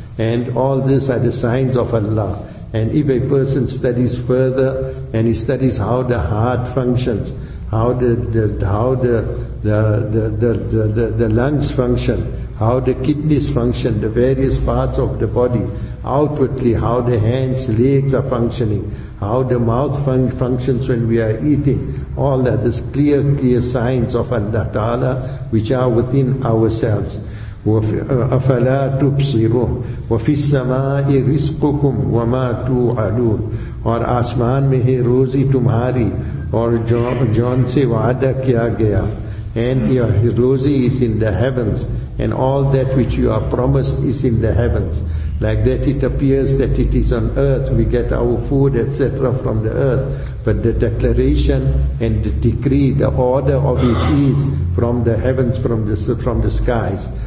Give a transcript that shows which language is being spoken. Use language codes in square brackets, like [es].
[en] And all these are the signs of Allah. And if a person studies further, and he studies how the heart functions, how the lungs function, how the kidneys function, the various parts of the body, outwardly how the hands, legs are functioning, how the mouth functions when we are eating, all that is clear, clear signs of Allah Ta'ala, which are within ourselves. [ar] أفلا تبصرون وفي السماء رزقكم وما توعدون. [ur] اور آسمان میں ہے روزی تمہاری اور جون سے وعدہ کیا گیا. [en] And your روزی is in the heavens, and all that which you are promised is in the heavens. Like that it appears that it is on earth, we get our food, etc., from the earth. But the declaration and the decree, the order of it is from the heavens, from the skies.